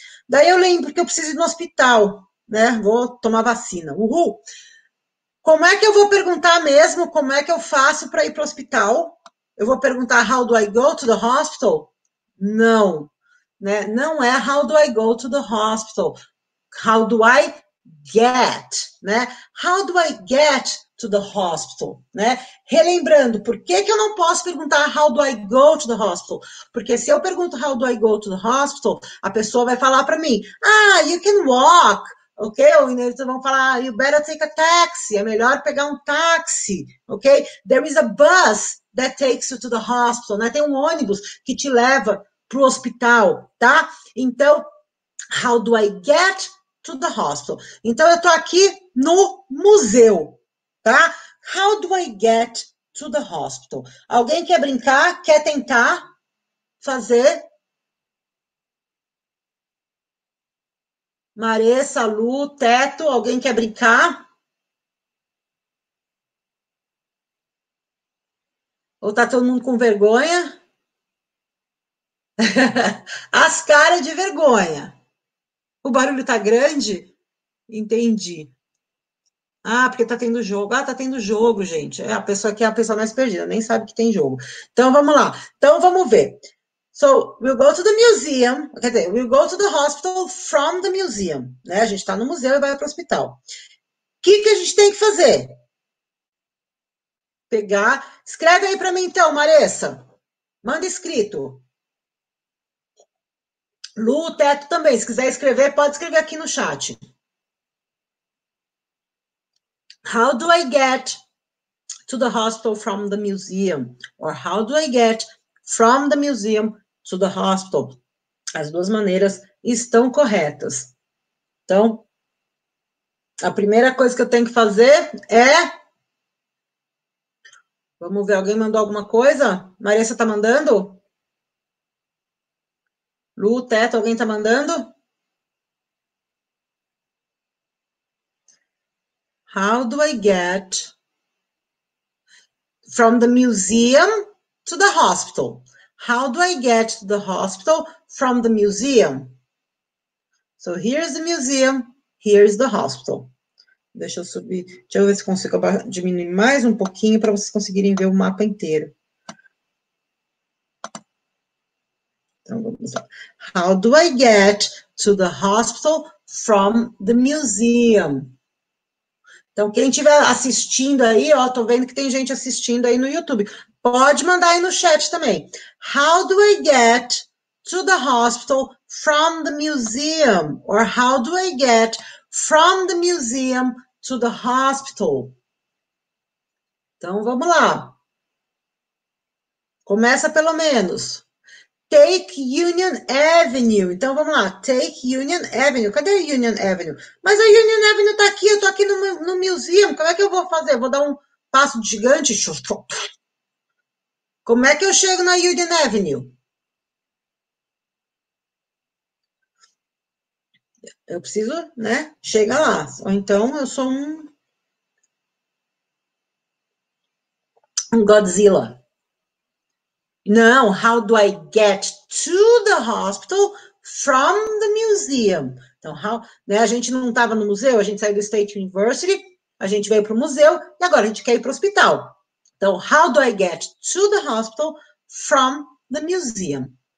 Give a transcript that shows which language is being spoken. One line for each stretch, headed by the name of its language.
Portuguese: Daí eu lembro que eu preciso ir no hospital, né? Vou tomar vacina. Uhul! Como é que eu vou perguntar mesmo como é que eu faço para ir para o hospital? Eu vou perguntar,
English: how do I go to the hospital? Não, né?
Portuguese: Não é
English: how do I go to the hospital. How do I get, né? How do I get to the hospital, né?
Portuguese: Relembrando, por que que eu não posso perguntar
English: how do I go to the hospital?
Portuguese: Porque se eu pergunto
English: how do I go to the hospital,
Portuguese: a pessoa vai falar para mim, ah,
English: you can walk, ok?
Portuguese: Ou eles vão falar,
English: you better take a taxi,
Portuguese: é melhor pegar um táxi, ok?
English: There is a bus that takes you to the hospital, né?
Portuguese: Tem um ônibus que te leva pro hospital, tá?
English: Então, how do I get to the hospital?
Portuguese: Então, eu tô aqui no museu. Tá?
English: How do I get to the hospital?
Portuguese: Alguém quer brincar? Quer tentar fazer? Maressa, Lu, Teto, alguém quer brincar? Ou tá todo mundo com vergonha? As caras de vergonha. O barulho tá grande? Entendi. Ah, porque tá tendo jogo. Ah, tá tendo jogo, gente. É a pessoa que é a pessoa mais perdida, nem sabe que tem jogo. Então vamos lá. Então vamos ver.
English: So, we'll go to the museum.
Portuguese: Quer dizer,
English: we'll go to the hospital from the museum.
Portuguese: Né? A gente tá no museu e vai pro hospital. Que a gente tem que fazer? Pegar. Escreve aí para mim então, Maressa. Manda escrito. Lu, Teto também. Se quiser escrever, pode escrever aqui no chat.
English: How do I get to the hospital from the museum? Or how do I get from the museum to the hospital?
Portuguese: As duas maneiras estão corretas. Então, a primeira coisa que eu tenho que fazer é. Vamos ver, alguém mandou alguma coisa? Marissa está mandando? Lu, Teto, alguém está mandando?
English: How do I get from the museum to the hospital? How do I get to the hospital from the museum? So here's the museum, here's the hospital.
Portuguese: Deixa eu subir, deixa eu ver se consigo diminuir mais um pouquinho para vocês conseguirem ver o mapa inteiro. Então vamos lá.
English: How do I get to the hospital from the museum?
Portuguese: Então, quem estiver assistindo aí, ó, tô vendo que tem gente assistindo aí no YouTube. Pode mandar aí no chat também.
English: How do I get to the hospital from the museum? Or how do I get from the museum to the hospital?
Portuguese: Então, vamos lá. Começa pelo menos.
English: Take Union Avenue.
Portuguese: Então vamos lá.
English: Take Union Avenue.
Portuguese: Cadê a Union Avenue? Mas a Union Avenue tá aqui. Eu tô aqui no museu. Como é que eu vou fazer? Vou dar um passo gigante. Como é que eu chego na Union Avenue? Eu preciso, né? Chega lá. Ou então eu sou um Godzilla.
English: Não, how do I get to the hospital from the museum?
Portuguese: Então, né, a gente não estava no museu, a gente saiu do State University, a gente veio para o museu e agora a gente quer ir para o hospital.
English: Então, how do I get to the hospital from the museum?